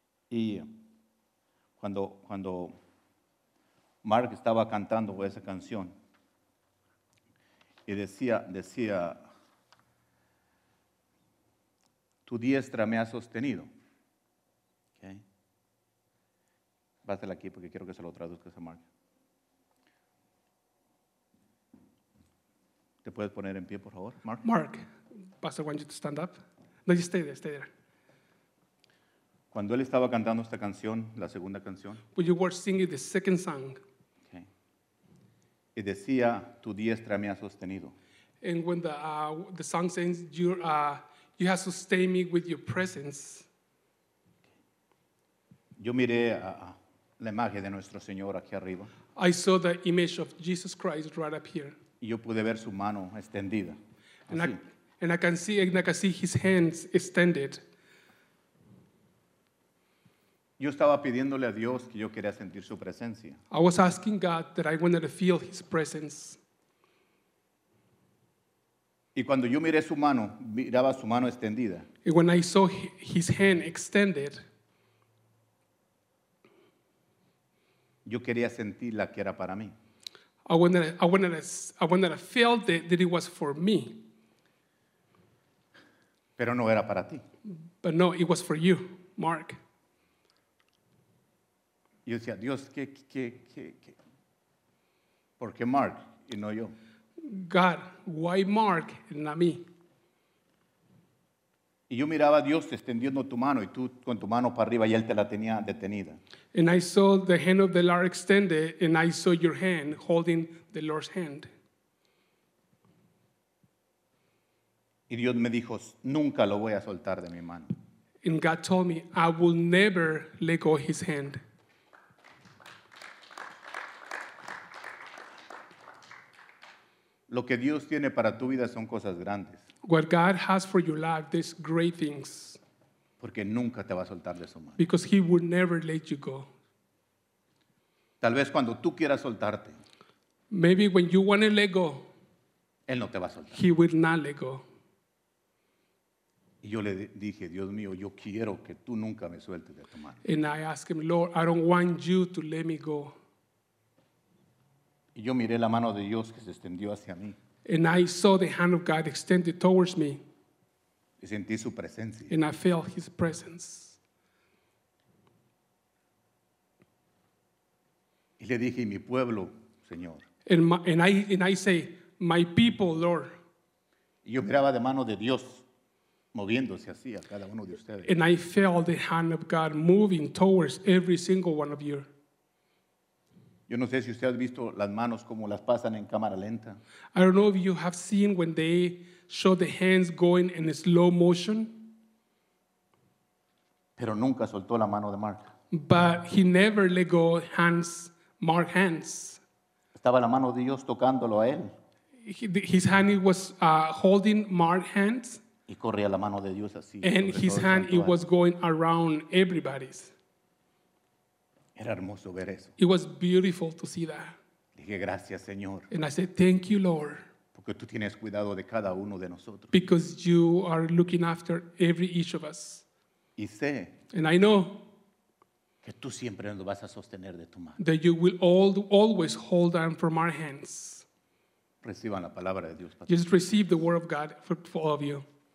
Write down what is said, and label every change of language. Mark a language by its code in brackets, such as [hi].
[es] Y cuando Mark estaba cantando esa canción y decía, tu diestra me ha sostenido. Okay. Pásala aquí porque quiero que se lo traduzca a Mark. ¿Te puedes poner en pie, por favor, Mark? [en] Mark, Pastor, why don't you to stand up? No, you stay there. [es] Cuando él estaba cantando esta canción, la segunda canción. [en] When you were singing the second song. [es] Okay. Y decía, tu diestra me ha sostenido. [en] And when the song says, you have sustained me with your presence. [es] Yo miré la imagen de nuestro Señor aquí arriba. [en] I saw the image of Jesus Christ right up here. [es] Y yo pude ver su mano extendida. [en] And I can see his hands extended. [es] Yo estaba pidiéndole a Dios que yo quería sentir su presencia. [en] I was asking God that I wanted to feel his presence. [es] Y cuando yo miré su mano, miraba su mano extendida. [en] And when I saw his hand extended, [es] yo quería sentir la que era para mí. [en] I felt that it was for me. [es] Pero no era para ti. [en] But no, it was for you, Mark. [es] Yo decía, Dios, ¿qué? ¿Por qué Mark y no yo? [en] God, why Mark and not me? [es] Y yo miraba a Dios extendiendo tu mano y tú con tu mano para arriba y él te la tenía detenida. [en] And I saw the hand of the Lord extended and I saw your hand holding the Lord's hand. [es] Y Dios me dijo, nunca lo voy a soltar de mi mano. [en] And God told me, I will never let go his hand. [es] Lo que Dios tiene para tu vida son cosas grandes. [en] What God has for your life, these great things. [es] Porque nunca te va a soltar de su mano. [en] Because he will never let you go. [es] Tal vez cuando tú quieras soltarte. [en] Maybe when you want to let go. [es] Él no te va a soltar. [en] He will not let go. [es] Y yo le dije, Dios mío, yo quiero que tú nunca me sueltes de tu mano. [en] And I asked him, Lord, I don't want you to let me go. [es] Y yo miré la mano de Dios que se extendió hacia mí. [en] And I saw the hand of God extended towards me. [es] Y sentí su presencia. [en] And I felt his presence. [es] Y le dije, mi pueblo, Señor. [en] And I say, my people, Lord. [es] Y yo miraba de mano de Dios moviéndose así a cada uno de ustedes. [en] And I felt the hand of God moving towards every single one of you. [es] Yo no sé si usted ha visto las manos como las pasan en cámara lenta. [en] I don't know if you have seen when they show the hands going in a slow motion. [es] Pero nunca soltó la mano de Mark. [en] But he never let go hands, Mark hands. [es] Estaba la mano de Dios tocándolo a él. [en] His hand was holding Mark hands. [es] Y corría la mano de Dios así. [en] And his hand it was going around everybody's. [es] Era hermoso ver eso. [en] It was beautiful to see that. [es] Dije, gracias, Señor. [en] And I said, thank you, Lord. [es] Porque tú tienes cuidado de cada uno de nosotros. [en] Because you are looking after every each of us. [es] Y sé. [en] And I know. [es] Que tú siempre nos vas a sostener de tu mano. [en] That you will always hold on from our hands. [es] Reciban la palabra de Dios. [en] Just receive the word of God for all of you.